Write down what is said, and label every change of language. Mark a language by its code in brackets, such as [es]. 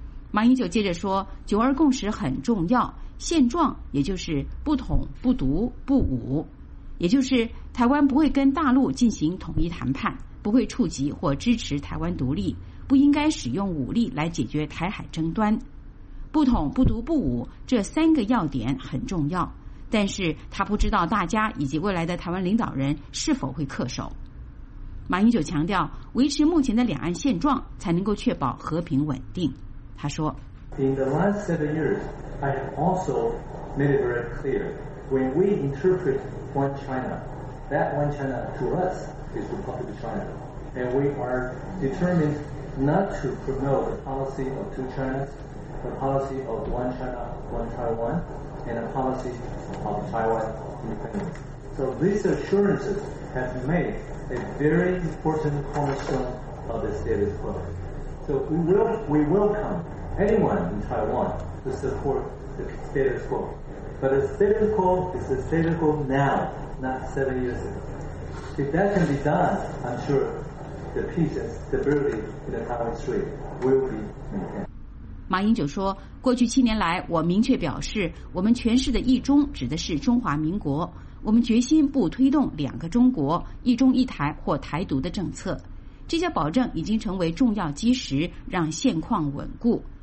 [zh] 马英九接着说，九二共识很重要，现状也就是不统不独不武，也就是台湾不会跟大陆进行统一谈判，不会触及或支持台湾独立，不应该使用武力来解决台海争端。不统不独不武这三个要点很重要，但是他不知道大家以及未来的台湾领导人是否会恪守。马英九强调，维持目前的两岸现状才能够确保和平稳定。他说 [en] In the last 7 years, I have also made it very clear, when we interpret one China, that one China to us is Republic of China. And we are determined not to promote the policy of two Chinas, the policy of one China, one Taiwan, and the policy of Taiwan independence. So these assurances have made a very important cornerstone of the status quo. So we welcome anyone in Taiwan to support the status quo. But the status quo is the status quo now, not 7 years ago. If that can be done, I'm sure the peace and stability in the Taiwan Strait will be maintained. [zh] 马英九说，过去七年来我明确表示，我们诠释的一中指的是中华民国，我们决心不推动两个中国、一中一台或台独的政策，这些保证已经成为重要基石，让现况稳固。